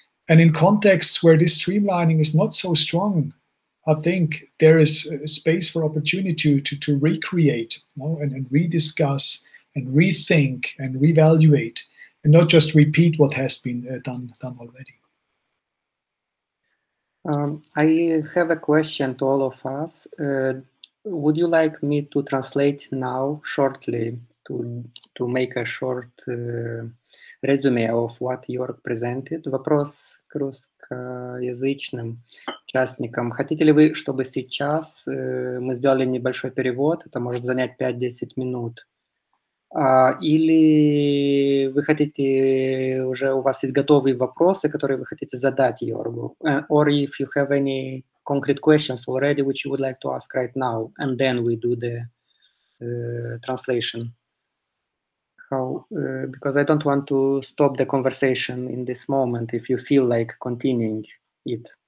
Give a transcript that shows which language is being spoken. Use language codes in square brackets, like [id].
[en] And in contexts where this streamlining is not so strong, I think there is a space for opportunity to recreate, you know, and rediscuss and rethink and reevaluate, and not just repeat what has been done already. I have a question to all of us. Would you like me to translate now shortly to make a short резюме of what Jorg presented. [ru] Вопрос к русскоязычным участникам. Хотите ли вы, чтобы сейчас мы сделали небольшой перевод, это может занять 5-10 минут, или вы хотите, уже у вас есть готовые вопросы, которые вы хотите задать Йоргу? [en] Or if you have any concrete questions already, which you would like to ask right now, and then we do the translation. Because I don't want to stop the conversation in this moment if you feel like continuing it.